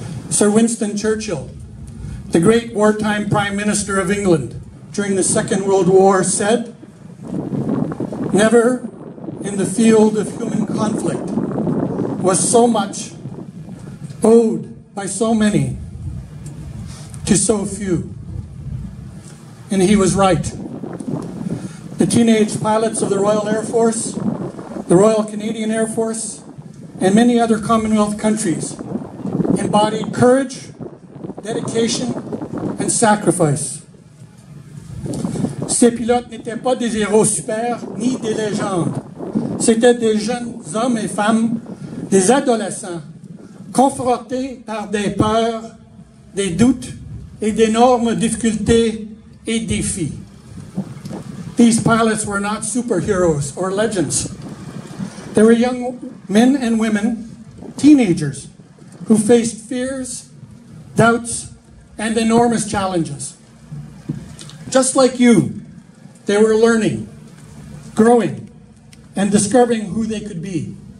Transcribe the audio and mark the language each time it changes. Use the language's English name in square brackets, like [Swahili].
[English] Sir Winston Churchill, the great wartime Prime Minister of England during the Second World War, said, "Never in the field of human conflict was so much owed by so many to so few." And he was right. The teenage pilots of the Royal Air Force, the Royal Canadian Air Force, and many other Commonwealth countries embodied courage, dedication, and sacrifice. [French] Ces pilotes n'étaient pas des héros super ni des légendes. C'étaient des jeunes hommes et femmes, des adolescents, confrontés par des peurs, des doutes et d'énormes difficultés et défis. [English] These pilots were not superheroes or legends. They were young men and women, teenagers, who faced fears, doubts, and enormous challenges. Just like you, they were learning, growing, and discovering who they could be.